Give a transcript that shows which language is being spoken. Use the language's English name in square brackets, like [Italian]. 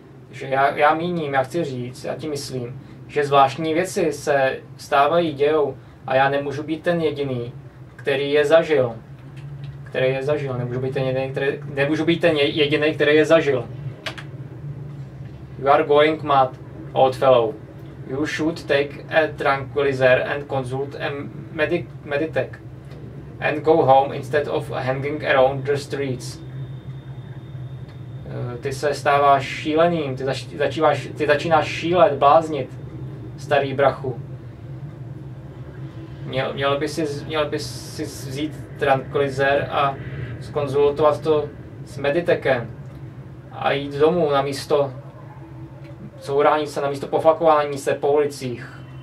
[Czech] Že já míním, já chci říct, já ti myslím, že zvláštní věci se stávají, dějou a já nemůžu být ten jediný, který je zažil, nemůžu být ten jediný, který je zažil. [English] You are going mad, old fellow. You should take a tranquilizer and consult a meditech. And go home instead of hanging around the streets. [Czech] Ty se stáváš šíleným, ty začínáš šílet, bláznit, starý brachu. Měl by si vzít tranquilizer a skonzultovat to s meditekem a jít domů na místo courání se, na místo poflakování se po ulicích.